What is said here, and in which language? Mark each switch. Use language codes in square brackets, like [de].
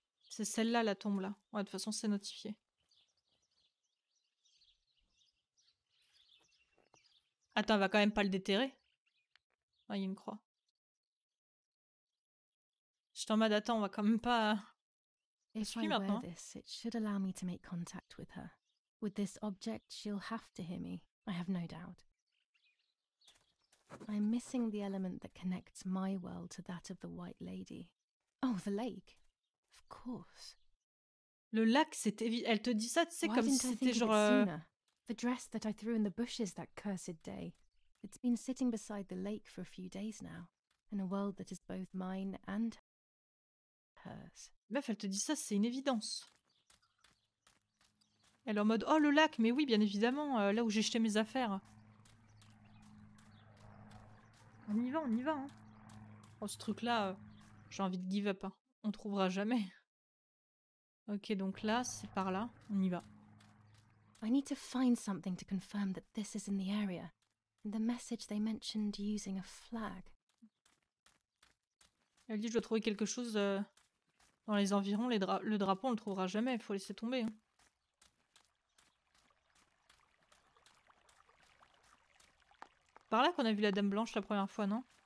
[fr] C'est celle-là, la tombe, là. Ouais, de toute façon, c'est notifié. Attends, elle va quand même pas le déterrer. Ah, il y a une croix. Je t'en mets d'attendre, on va quand même pas... [en] It should allow me to make contact with her. With this object, she'll have to hear me. I have no doubt. I'm missing the element that connects my world to that of the White Lady. Oh, the lake. Of course. [fr] Le lac, c'est évident. Elle te dit ça, tu sais, comme si c'était genre... [en] The dress that I threw in the bushes that cursed day. It's been sitting beside the lake for a few days now. In a world that is both mine and hers. [fr] Meuf, elle te dit ça, c'est une évidence. Elle est en mode, oh, le lac, mais oui, bien évidemment, là où j'ai jeté mes affaires. On y va. Hein. Oh, ce truc-là, j'ai envie de [en] give up. [fr] Hein. On trouvera jamais. Ok, donc là, c'est par là. On y va. [en] I need to find something to confirm that this is in the area. And the message they mentioned using a flag. [fr] Elle dit, je dois trouver quelque chose dans les environs. Le drapeau, on le trouvera jamais. Il faut laisser tomber. Hein. Par là qu'on a vu la Dame Blanche la première fois, non?